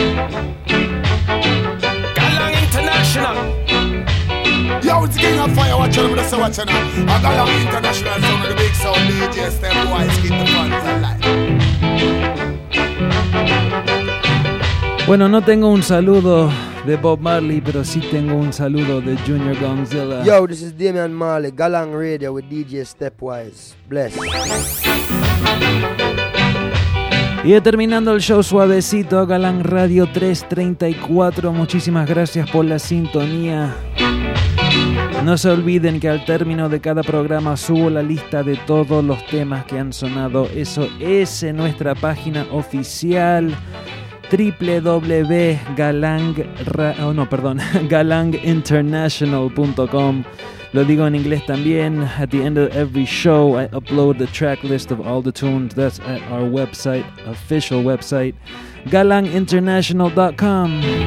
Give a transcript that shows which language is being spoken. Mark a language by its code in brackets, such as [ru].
[en] Galang International. Yo, it's getting a fire, watch out, but I say watch out now. A Galang International, some of the big sound DJs, them boys keep the fans alive. [es] Bueno, no tengo un saludo de Bob Marley, pero sí tengo un saludo de Junior Gonzilla. [en] Yo, this is Damian Marley, Galang Radio with DJ Stepwise. Bless. [es] Y terminando el show suavecito, Galang Radio 334. Muchísimas gracias por la sintonía. No se olviden que al término de cada programa subo la lista de todos los temas que han sonado. Eso es en nuestra página oficial galanginternational.com. Lo digo en inglés también. [en] At the end of every show I upload the track list of all the tunes. That's at our website, official website, galanginternational.com.